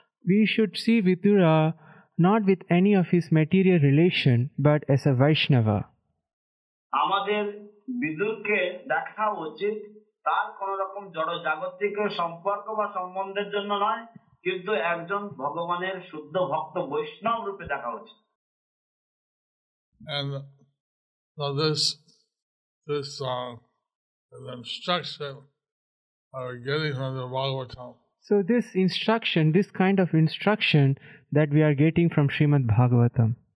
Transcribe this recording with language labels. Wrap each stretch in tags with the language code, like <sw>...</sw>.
<en>We should see Vidura not with any of his material relation but as a Vaishnava.</en> <bn>আমাদের বিদুরকে দেখা উচিত তার কোন রকম জড় জাগতিক সম্পর্ক বা সম্বন্ধের জন্য নয়, কিন্তু একজন ভগবানের শুদ্ধ ভক্ত বৈষ্ণব রূপে দেখা উচিত।</bn> <en>And so this song is instruction that we're getting from the Bhagavatam. So this instruction, this kind of instruction that we are getting from Srimad Bhagavatam.</en>